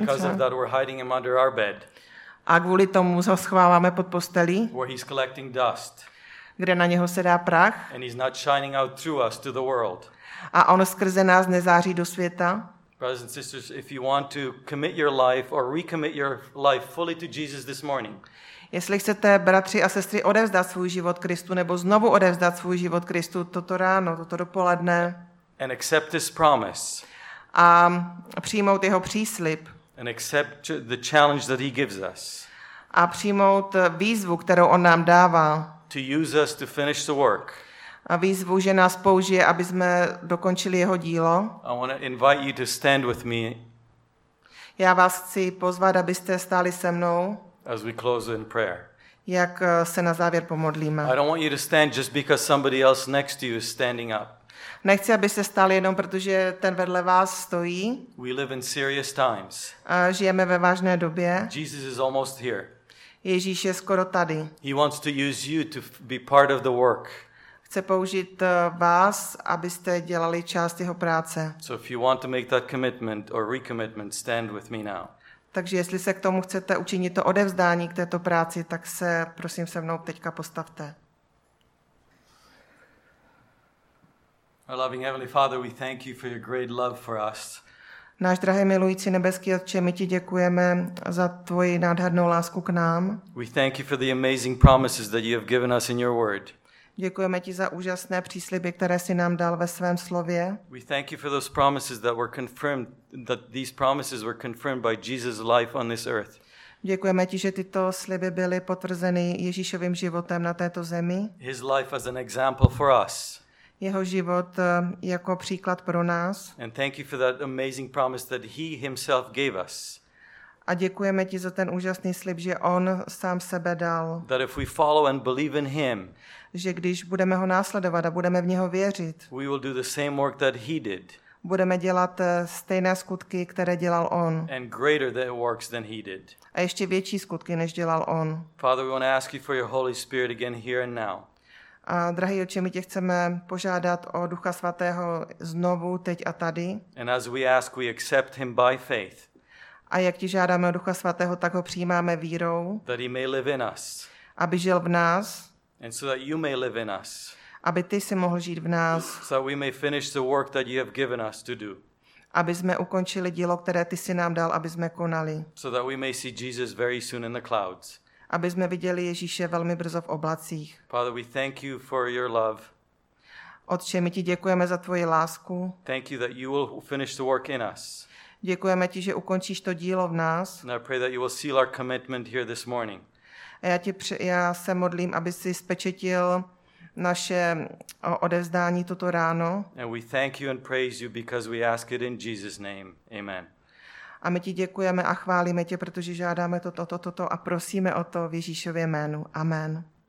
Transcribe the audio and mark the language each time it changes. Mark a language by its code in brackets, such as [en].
[en] Because of that we're hiding him under our bed. [cs] A kvůli tomu ho schováváme pod postelí. [en] Where he's collecting dust. [cs] Kde na něho se dá prach. [en] And he's not shining out through us to the world. [cs] A on skrze nás nezáří do světa. [en] Brothers and sisters, if you want to commit your life or recommit your life fully to Jesus this morning. [cs] Jestli chcete, bratři a sestry, odevzdat svůj život Kristu nebo znovu odevzdat svůj život Kristu toto ráno, toto dopoledne. [en] And accept his promise. [cs] A přijmout jeho příslib. [en] And accept the challenge that he gives us. [cs] A přijmout výzvu, kterou on nám dává. [en] To use us to finish the work. [cs] A výzvu, že nás použije, aby jsme dokončili jeho dílo. [en] I want to invite you to stand with me. [cs] Já vás chci pozvat, abyste stáli se mnou. [en] As we close in prayer. [cs] Jak se na závěr pomodlíme. [en] I don't want you to stand just because somebody else next to you is standing up. [cs] Nechci, aby se stal jenom, protože ten vedle vás stojí. [en] We live in serious times. [cs] Žijeme ve vážné době. [en] Jesus is almost here. [cs] Ježíš je skoro tady. [en] He wants to use you to be part of the work. [cs] Chce použít vás, abyste dělali část jeho práce. [en] So if you want to make that commitment or recommitment, stand with me now. [cs] Takže jestli se k tomu chcete učinit to odevzdání k této práci, tak se prosím se mnou teďka postavte. [en] Our loving Heavenly Father, we thank you for your great love for us. [cs] Náš drahý milující nebeský Otče, my ti děkujeme za tvoji nádhernou lásku k nám. [en] We thank you for the amazing promises that you have given us in your word. [cs] Děkujeme ti za úžasné přísliby, které jsi nám dal ve svém slově. [en] We thank you for those promises that were confirmed, that these promises were confirmed by Jesus' life on this earth. [cs] Děkujeme ti, že tyto sliby byly potvrzeny Ježíšovým životem na této zemi. [en] His life as an example for us. [cs] Jeho život jako příklad pro nás. [en] And thank you for that amazing promise that he himself gave us. [cs] A děkujeme ti za ten úžasný slib, že on sám sebe dal. [en] That if we follow and believe in him, [cs] že když budeme ho následovat a budeme v něho věřit, [en] we will do the same work that he did. [cs] Budeme dělat stejné skutky, které dělal on. [en] And greater the works than he did. [cs] A ještě větší skutky, než dělal on. [en] Father, we want to ask you for your Holy Spirit again here and now. [cs] A drahý Otče, my tě chceme požádat o Ducha Svatého znovu, teď a tady. [en] And as we ask, we accept him by faith. [cs] A jak ti žádáme o Ducha Svatého, tak ho přijímáme vírou. [en] That he may live in us. [cs] Aby žil v nás. [en] And so that you may live in us. [cs] Aby ty si mohl žít v nás. [en] So that we may finish the work that you have given us to do. [cs] Aby jsme ukončili dílo, které ty si nám dal, aby jsme konali. [en] So that we may see Jesus very soon in the clouds. [cs] Aby jsme viděli Ježíše velmi brzo v oblacích. [en] Father, we thank you for your love. [cs] Otče, my ti děkujeme za tvoji lásku. [en] Thank you that you will finish the work in us. [cs] Děkujeme ti, že ukončíš to dílo v nás. [en] And I pray that you will seal our commitment here this morning. [cs] A já se modlím, aby si spečetil naše odevzdání tuto ráno. [en] And we thank you and praise you because we ask it in Jesus' name. Amen. [cs] A my ti děkujeme a chválíme tě, protože žádáme toto a prosíme o to v Ježíšově jménu. Amen.